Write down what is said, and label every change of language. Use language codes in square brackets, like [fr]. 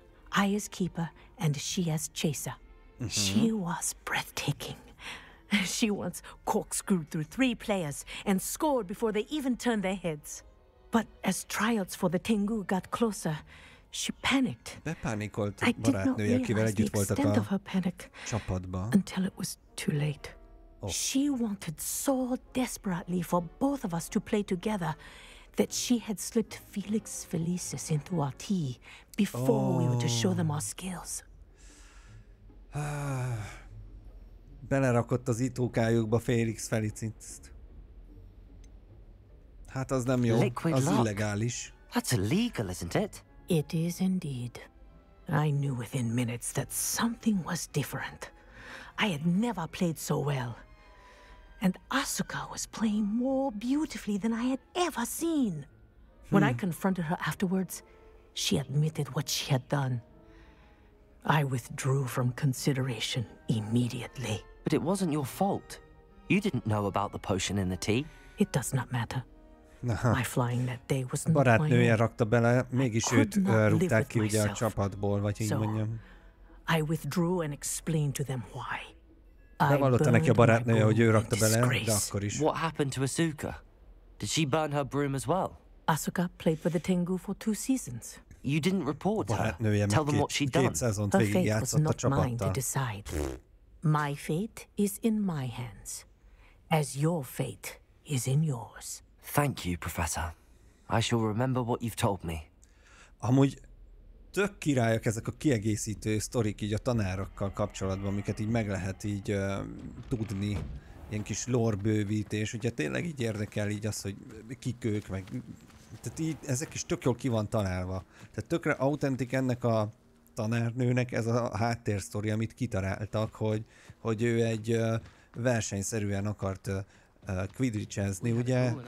[en] I as keeper and she as chaser. Mm-hmm. She was breathtaking. She once corkscrewed through three players and scored before they even turned their heads. But as trials for the Tengu got closer, she panicked. [hu] Bepánikolt barátnője, akivel együtt voltak a csapatban. [en] Until it was too late. Oh. She wanted so desperately for both of us to play together that she had slipped Felix Felicis into our tea before we were to show them our skills. [hu] Belerakott az itókájukba Felix Felicit. Hát az nem jó, [en] liquid [hu] az [en] lock. [hu] Illegális. [en] That's illegal, isn't it? It is indeed. I knew within minutes that something was different. I had never played so well. And Asuka was playing more beautifully than I had ever seen. When I confronted her afterwards, she admitted what she had done. I withdrew from consideration immediately. But it wasn't your fault. You didn't know about the potion in the tea. It does not matter. My flying that day was not [hu] barátnője rakta bele, mégis őt rúgták ki ugye a csapatból, vagy így mondjam. [en] I withdrew and explained to them why. [hu] Bevallotta neki a barátnője, hogy ő rakta bele, de akkor is. [en] What happened to Asuka? Did she burn her broom as well? Asuka played for the Tengu for two seasons. You didn't report her. [hu] Barátnője meg két szezont végigjátszott a csapattal. [en] My fate is in my hands, as your fate is in yours. Thank you, Professor. I shall remember what you've told me. [hu] Amúgy tök királyok ezek a kiegészítő sztorik így a tanárokkal kapcsolatban, amiket így meg lehet így tudni. Ilyen kis lore bővítés, ugye tényleg így érdekel így az, hogy kik ők, meg... Tehát így ezek is tök jól ki van találva. Tehát tökre autentik ennek a tanárnőnek ez a háttérsztori, amit kitaláltak, hogy, hogy ő egy versenyszerűen akart quidditchezni, ugye?